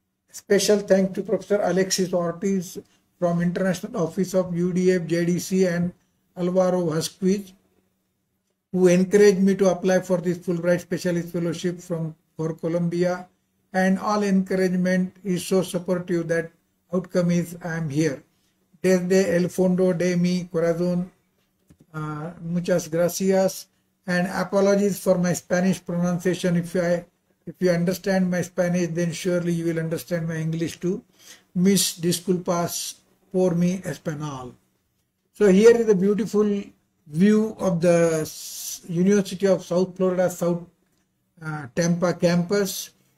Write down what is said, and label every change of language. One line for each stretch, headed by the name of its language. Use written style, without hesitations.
English: Special thanks to Professor Alexis Ortiz from International Office of UDF, JDC, and Alvaro Vasquez, who encouraged me to apply for this Fulbright Specialist Fellowship for Colombia. And all encouragement is so supportive that outcome is I am here.
Spanish: Desde el fondo de mi corazón, muchas gracias.
English: And apologies for my Spanish pronunciation. If you understand my Spanish, then surely you will understand my English too.
Spanish: Mis disculpas por mi español.
English: So here is a beautiful view of the University of South Florida, South Tampa campus.